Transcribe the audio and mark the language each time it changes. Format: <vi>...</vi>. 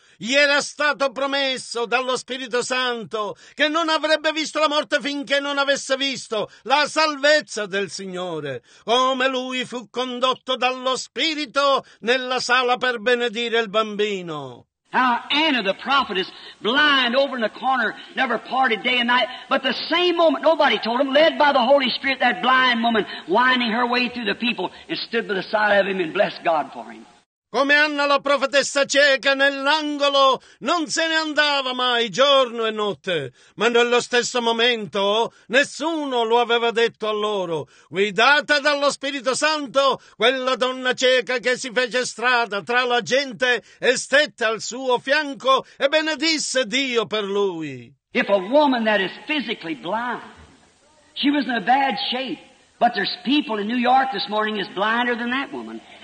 <it>Gli era stato promesso dallo Spirito Santo che non avrebbe visto la morte finché non avesse visto la salvezza del Signore. Come lui fu condotto dallo Spirito nella sala per benedire il bambino.</it> <en>How Anna the prophetess, blind over in the corner, never parted day and night, but the same moment, nobody told him, led by the Holy Spirit, that blind woman, winding her way through the people, and stood by the side of him and blessed God for him.</en> <it>Come Anna la profetessa cieca nell'angolo non se ne andava mai giorno e notte, ma nello stesso momento nessuno lo aveva detto a loro. Guidata dallo Spirito Santo, quella donna cieca che si fece strada tra la gente e stette al suo fianco e benedisse Dio per lui.</it> <en>If a woman that is physically blind, she was in a bad shape, but there's people in New York this morning is blinder than that woman.</en>